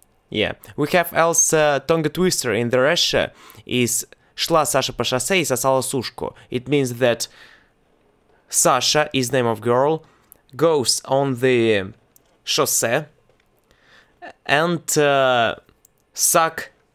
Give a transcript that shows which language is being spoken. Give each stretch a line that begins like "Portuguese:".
English: we have also tongue twister in the Russia.
Russian: Is шла Саша по шоссе и сосала сушку.
English: It means that Саша, is name of girl, goes on the шоссе and suck